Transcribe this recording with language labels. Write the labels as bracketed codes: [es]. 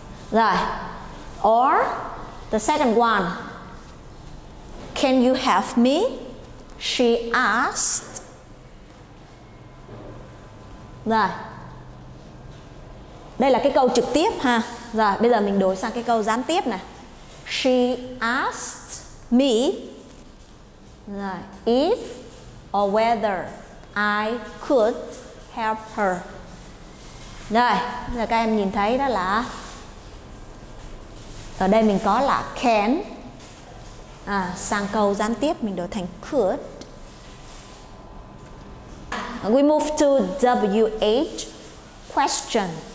[en] Rồi, or the second one. Can you help me? She asked. [vi] Rồi, đây là cái câu trực tiếp ha. Rồi, bây giờ mình đổi sang cái câu gián tiếp này. [en] She asked me if or whether I could help her. [vi] Rồi, bây giờ các em nhìn thấy đó là ở đây mình có là can. Sang câu gián tiếp mình đổi thành could. [en] We move to WH question.